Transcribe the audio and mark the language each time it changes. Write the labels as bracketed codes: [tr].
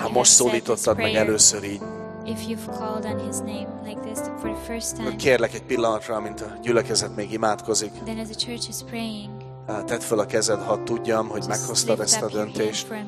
[hu] ha most szólítottad meg először így, [en] if you've called on his name like this for the first time. [hu] Kérlek egy pillanatra, amint a gyülekezet még imádkozik. [en] Then as the church is praying. [hu] Tedd fel a kezed, hadd tudjam, hogy meghoztad ezt a döntést.